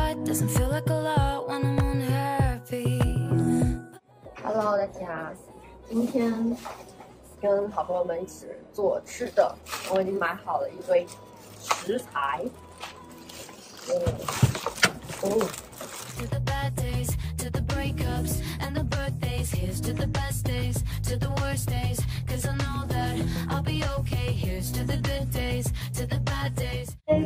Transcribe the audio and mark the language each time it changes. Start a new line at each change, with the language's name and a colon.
English: doesn't feel like a lot when I'm unhappy.
Chinese: Hello, 大家，今天跟好朋友们一起做吃的，我已经买好了一堆食材。
English: To the bad days, to the breakups and the birthdays. Here's to the best days, to the worst days. Cause I know that I'll be okay. Here's to the good days, to the bad days.